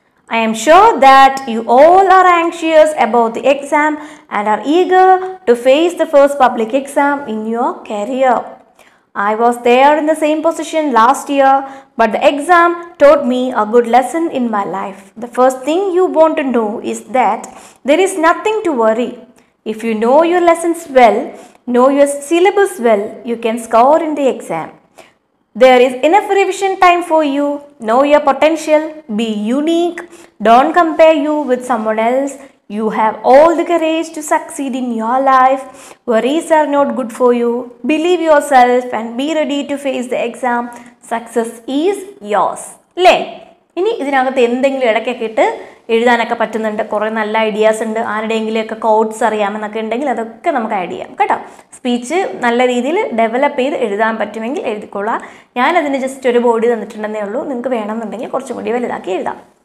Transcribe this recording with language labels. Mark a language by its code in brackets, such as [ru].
[en] I'm sure that you all are anxious about the exam and are eager to face the first public exam in your career. I was there in the same position last year, but the exam taught me a good lesson in my life. The first thing you want to know is that there is nothing to worry. If you know your lessons well, know your syllabus well, you can score in the exam. There is enough revision time for you. Know your potential. Be unique. Don't compare you with someone else. You have all the courage to succeed in your life. Worries are not good for you. Believe yourself and be ready to face the exam. Success is yours. [ml] ലേ, ഇനി ഇതിനകത്ത് എന്തെങ്കിലും ഇടയ്ക്കൊക്കെ ഇട്ട് എഴുതാനൊക്കെ പറ്റുന്നുണ്ട്, കുറേ നല്ല ideas ഉണ്ട്, ആരുടെയെങ്കിലുമൊക്കെ കോട്ട്സ് അറിയാമെന്നൊക്കെ ഉണ്ടെങ്കിൽ അതൊക്കെ നമുക്ക് ആഡ് ചെയ്യാം കേട്ടോ. സ്പീച്ച് നല്ല രീതിയിൽ ഡെവലപ്പ് ചെയ്ത് എഴുതാൻ പറ്റുമെങ്കിൽ എഴുതിക്കൊള്ളാം. ഞാനതിന് ജസ്റ്റ് ഒരു ബോഡി തന്നിട്ടുണ്ടെന്നേ ഉള്ളൂ, നിങ്ങൾക്ക് വേണമെന്നുണ്ടെങ്കിൽ കുറച്ചും കൂടി വലുതാക്കി എഴുതാം.